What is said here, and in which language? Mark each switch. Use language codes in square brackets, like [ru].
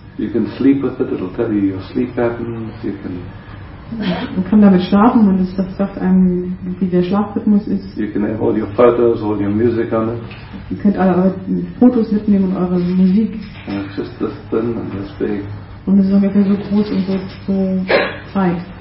[en] You can sleep with it, it'll tell you your sleep patterns, you can... [de] Man kann damit schlafen und es sagt einem, wie der Schlafrhythmus ist. [en] You can have all your photos, all your music on it. [de] Ihr könnt alle eure Fotos mitnehmen und eure Musik. [en] And it's just this thin and this big. [de] Und es ist ungefähr so groß und so breit.